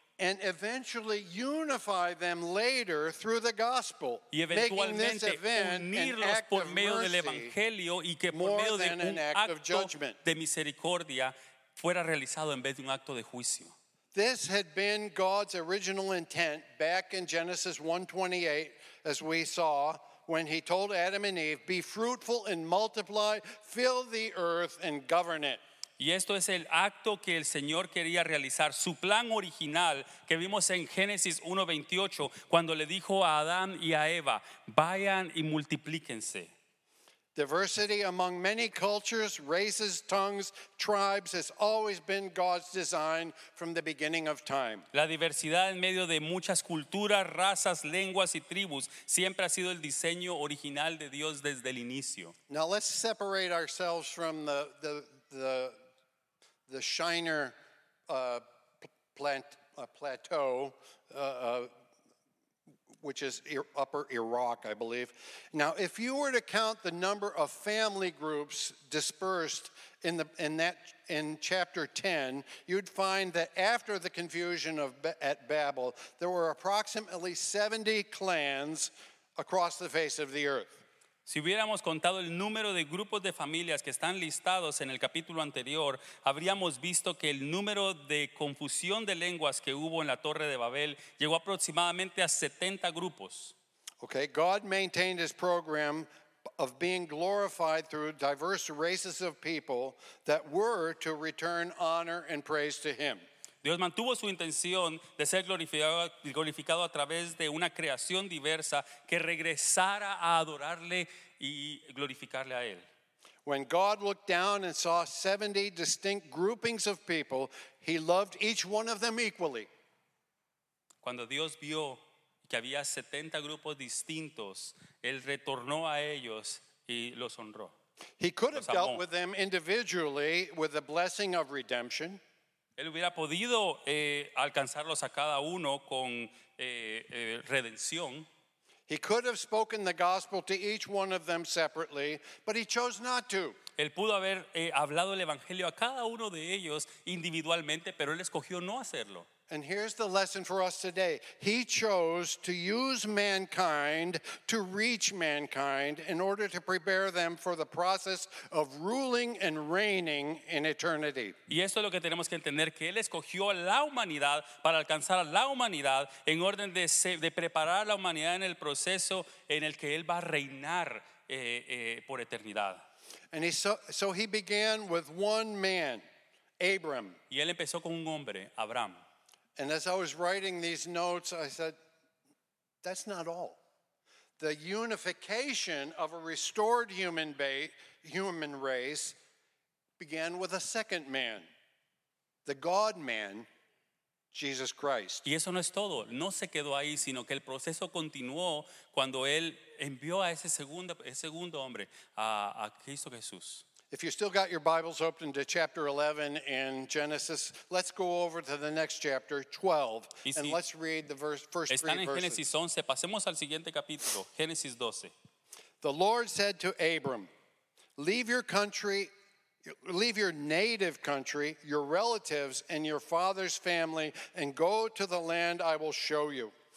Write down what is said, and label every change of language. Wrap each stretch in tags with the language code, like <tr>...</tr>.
<en>And eventually unify them later through the gospel.</en> <es>Y eventualmente unirlos por medio del evangelio y que por medio de un acto de misericordia fuera realizado en vez de un acto de juicio.</es> <en>This had been God's original intent back in Genesis 1:28, as we saw, when he told Adam and Eve, be fruitful and multiply, fill the earth and govern it.</en> <es>Y esto es el acto que el Señor quería realizar, su plan original que vimos en Génesis 1:28, cuando le dijo a Adán y a Eva, vayan y multiplíquense.</es> <en>Diversity among many cultures, races, tongues, tribes has always been God's design from the beginning of time.</en> <es>La diversidad en medio de muchas culturas, razas, lenguas y tribus siempre ha sido el diseño original de Dios desde el inicio.</es> <en>Now let's separate ourselves from the Shiner plateau which is upper Iraq, I believe. Now, if you were to count the number of family groups dispersed in chapter 10, you'd find that after the confusion at Babel, there were approximately 70 clans across the face of the earth.</en> <es>Si hubiéramos contado el número de grupos de familias que están listados en el capítulo anterior, habríamos visto que el número de confusión de lenguas que hubo en la Torre de Babel llegó aproximadamente a 70 grupos.</es> <en>Okay, God maintained his program of being glorified through diverse races of people that were to return honor and praise to him.</en> <es>Dios mantuvo su intención de ser glorificado a través de una creación diversa que regresara a adorarle y glorificarle a él.</es> <en>When God looked down and saw 70 distinct groupings of people, he loved each one of them equally.</en> <es>Cuando Dios vio que había 70 grupos distintos, él retornó a ellos y los honró.</es> <en>He could have dealt with them individually with the blessing of redemption.</en> <es>Él hubiera podido alcanzarlos a cada uno con redención.</es> <en>He could have spoken the gospel to each one of them separately, but he chose not to.</en> <es>Él pudo haber hablado el evangelio a cada uno de ellos individualmente, pero él escogió no hacerlo.</es> <en>And here's the lesson for us today. He chose to use mankind to reach mankind in order to prepare them for the process of ruling and reigning in eternity.</en> <es>Y esto es lo que tenemos que entender, que él escogió la humanidad para alcanzar a la humanidad en orden de preparar a la humanidad en el proceso en el que él va a reinar por eternidad.</es> <en>And he began with one man Abram.</en> <es>Y él empezó con un hombre, Abraham.</es> <en>And as I was writing these notes, I said, that's not all. The unification of a restored human race began with a second man, the God-man, Jesus Christ.</en> <es>Y eso no es todo. No se quedó ahí, sino que el proceso continuó cuando él envió a ese segundo hombre, a Cristo Jesús.</es> <en>If you still got your Bibles open to chapter 11 in Genesis, let's go over to the next chapter, 12, and let's read the first three verses.</en> <es>Están en Génesis 11. Pasemos al siguiente capítulo, Génesis 12.</es> <en>The Lord said to Abram, leave your native country, your relatives, and your father's family, and go to the land I will show you.</en>